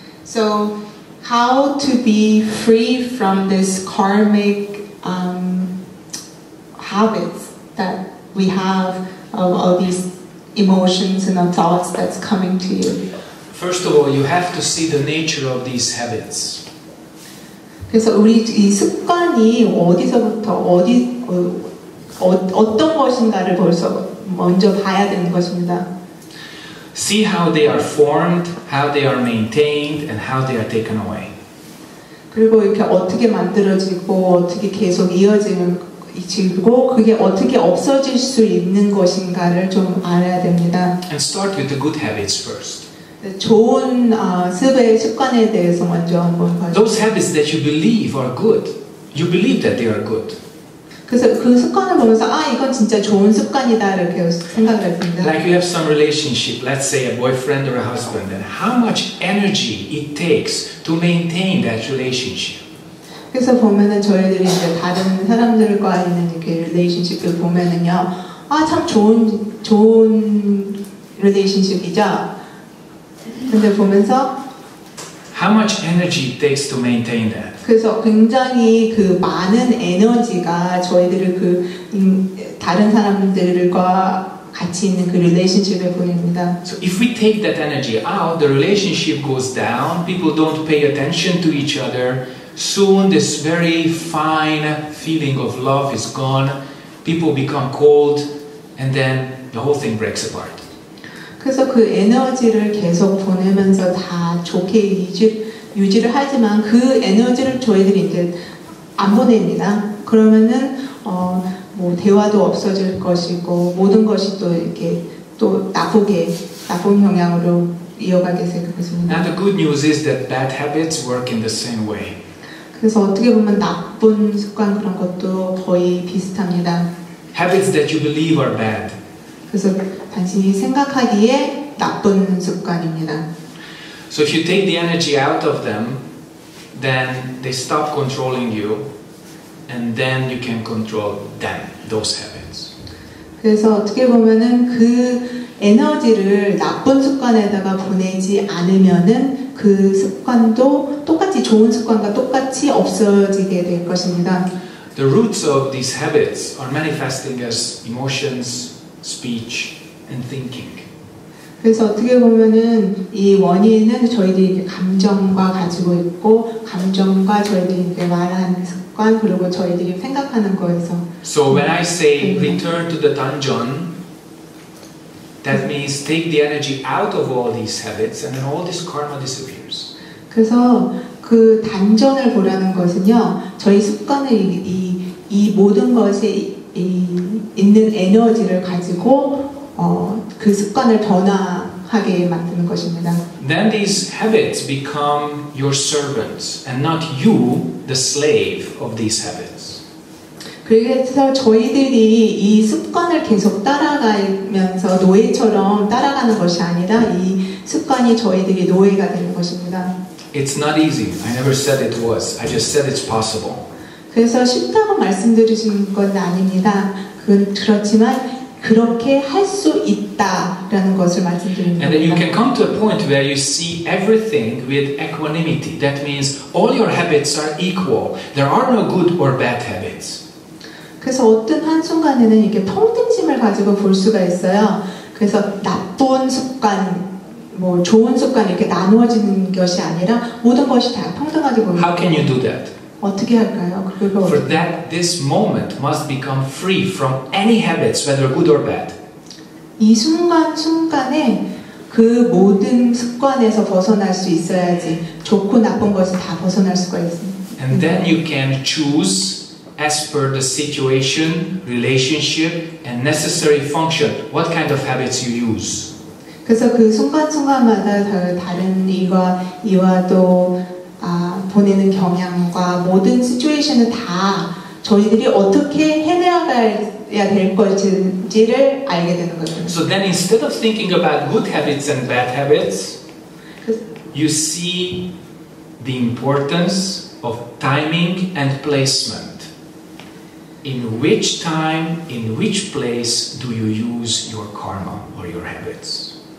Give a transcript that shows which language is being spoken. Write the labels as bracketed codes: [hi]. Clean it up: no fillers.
[en] So how to be free from this karmic habits that we have of all these emotions and the thoughts that's coming to you? First of all, you have to see the nature of these habits. [ko] 그래서 우리 이 습관이 어디서부터 어디 어떤 것인가를 벌써 먼저 봐야 되는 것입니다. [en] See how they are formed, how they are maintained, and how they are taken away. [ko] 그리고 이렇게 어떻게 만들어지고 어떻게 계속 이어지는 지고 그게 어떻게 없어질 수 있는 것인가를 좀 알아야 됩니다. [en] And start with the good habits first. [ko] 좋은 습의 습관에 대해서 먼저 한번 봐주세요. [en] Those habits that you believe are good, you believe that they are good. [ko] 그래서 그 습관을 보면서 아 이건 진짜 좋은 습관이다 이렇게 생각을 했습니다. [en] Like you have some relationship, let's say a boyfriend or a husband, and how much energy it takes to maintain that relationship. [ko] 그래서 보면은 저희들이 이제 다른 사람들과 있는 이렇게 relationship을 보면은요, 아 참 좋은 relationship이죠. 근데 보면서 [en] how much energy it takes to maintain that. [ko] 그래서 굉장히 그 많은 에너지가 저희들을 그 다른 사람들과 같이 있는 그 relationship에 보냅니다. [en] So if we take that energy out, the relationship goes down. People don't pay attention to each other. Soon this very fine feeling of love is gone. People become cold and then the whole thing breaks apart. [ko] 그래서 그 에너지를 계속 보내면서 다 좋게 유지를 하지만 그 에너지를 저희들이 이제 안 보냅니다. 그러면은 뭐 대화도 없어질 것이고 모든 것이 또 이렇게 또 나쁜 영향으로 이어가게 될 것입니다. [en] Now the good news is that bad habits work in the same way. [ko] 그래서 어떻게 보면 나쁜 습관 그런 것도 거의 비슷합니다. [en] Habits that you believe are bad. [ko] 그래서 당신이 생각하기에 나쁜 습관입니다. [en] So if you take the energy out of them, then they stop controlling you, and then you can control them, those habits. [ko] 그래서 어떻게 보면은 그 에너지를 나쁜 습관에다가 보내지 않으면은 그 습관도 똑같이 좋은 습관과 똑같이 없어지게 될 것입니다. [en] The roots of these habits are manifesting as emotions, speech, and thinking. [ko] 그래서 어떻게 보면은 이 원인은 저희들이 감정과 가지고 있고 감정과 저희들이 이제 말하는 습관 그리고 저희들이 생각하는 거에서. [en] So when I say return to the dungeon, that means take the energy out of all these habits and then all this karma disappears. [ko] 그래서 그 단전을 보라는 것은요, 저희 습관을 이 모든 것에 있는 에너지를 가지고 그 습관을 변화하게 만드는 것입니다. [en] Then these habits become your servants and not you, the slave of these habits. [ko] 그래서 저희들이 이 습관을 계속 따라가면서 노예처럼 따라가는 것이 아니라 이 습관이 저희들이 노예가 되는 것입니다. [en] It's not easy. I never said it was. I just said it's possible. [ko] 그래서 쉽다고 말씀드리는 건 아닙니다. 그렇지만 그렇게 할 수 있다라는 것을 말씀드립니다. [en] And then you can come to a point where you see everything with equanimity. That means all your habits are equal. There are no good or bad habits. [ko] 그래서 어떤 한 순간에는 이렇게 평등심을 가지고 볼 수가 있어요. 그래서 나쁜 습관, 뭐 좋은 습관 이렇게 나누어지는 것이 아니라 모든 것이 다 평등하게 보입니다. [en] How can you do that? [ko] 어떻게 할까요? 그걸 [en] For that, this moment must become free from any habits, whether good or bad. [ko] 이 순간순간에 그 모든 습관에서 벗어날 수 있어야지 좋고 나쁜 것을 다 벗어날 수가 있습니다. [en] And then you can choose as per the situation, relationship, and necessary function, what kind of habits you use. [ko] 그래서 그 순간순간마다 다른 일과 이와 또 보내는 경향과 모든 시츄에이션을 다 저희들이 어떻게 해내어가야 될 것인지를 알게 되는 거죠. [en] So then instead of thinking about good habits and bad habits, you see the importance of timing and placement. In which time, in which place do you use your karma or your habits?